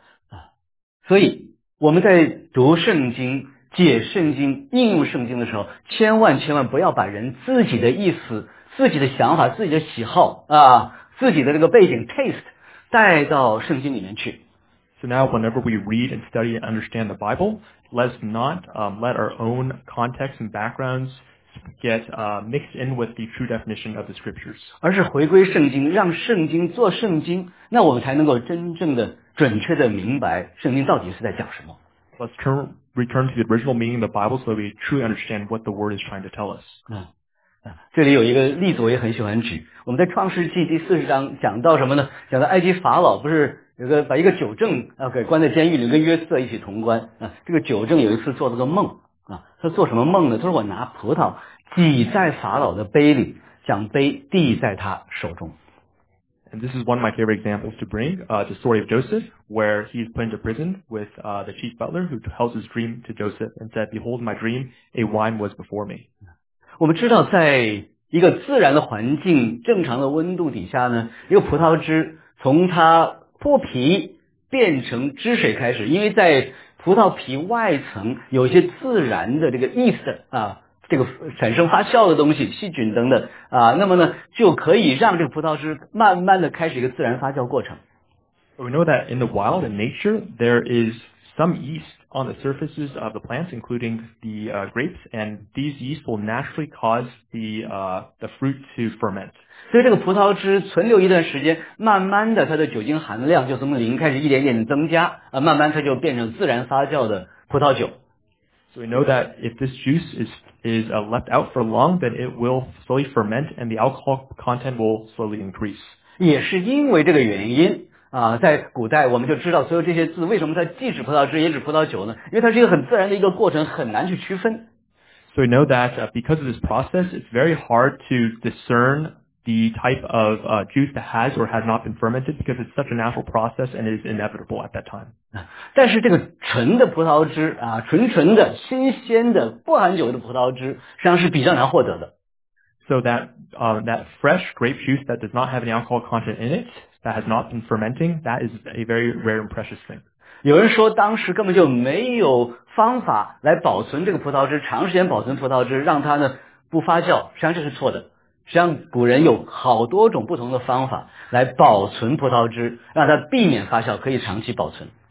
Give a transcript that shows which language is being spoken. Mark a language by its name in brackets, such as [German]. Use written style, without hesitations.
[Chinese] 啊，所以我们在读圣经、解圣经、应用圣经的时候，千万千万不要把人自己的意思自己的想法、自己的喜好啊，自己的这个背景 taste 带到圣经里面去。 [English] So now, whenever we read and study and understand the Bible, let's not let our own context and backgrounds get mixed in with the true definition of the scriptures. [Chinese] 而是回归圣经，让圣经做圣经，那我们才能够真正的、准确的明白圣经到底是在讲什么。 [English] Let's return to the original meaning of the Bible so that we truly understand what the word is trying to tell us. [Chinese] 这里有一个例子我也很喜欢举，我们在创世纪第四十章讲到什么呢？讲到埃及法老不是有个把一个酒政给关在监狱里，跟约瑟一起同关啊。这个酒政有一次做了个梦啊，他做什么梦呢？他说我拿葡萄挤在法老的杯里，将杯递在他手中。 [English] And this is one of my favorite examples to bring, the story of Joseph, where he is put into prison with the chief butler who tells his dream to Joseph and said, "Behold, my dream, a wine was before me." [Chinese] 我们知道在一个自然的环境正常的温度底下呢，一个葡萄汁从它剥皮变成汁水开始，因为在葡萄皮外层有一些自然的这个 yeast 啊，这个产生发酵的东西，细菌等等啊，那么呢就可以让这个葡萄汁慢慢的开始一个自然发酵过程。 [English] We know that in the wild in nature, there is some yeast. On the surfaces of the plants, including the grapes, and these yeast will naturally cause the fruit to ferment. [Chinese] 所以这个葡萄汁存留一段时间，慢慢的它的酒精含量就从零开始一点点增加，慢慢它就变成自然发酵的葡萄酒。 So we know that if this juice is left out for long, then it will slowly ferment, and the alcohol content will slowly increase. 也是因为这个原因。啊，在古代我们就知道所有这些字为什么它既指葡萄汁也指葡萄酒呢？因为它是一个很自然的一个过程，很难去区分。 [English] So we know that because of this process, it's very hard to discern the type of juice that has or has not been fermented because it's such a natural process and is inevitable at that time. [Chinese] 但是这个纯的葡萄汁啊，纯纯的、新鲜的、不含酒的葡萄汁，实际上是比较难获得的。 [English] So that fresh grape juice that does not have any alcohol content in it, that has not been fermenting, that is a very rare and precious thing. [Chinese] 有人说当时根本就没有方法来保存这个葡萄汁，长时间保存葡萄汁，让它呢不发酵，实际上这是错的。实际上古人有好多种不同的方法来保存葡萄汁，让它避免发酵，可以长期保存。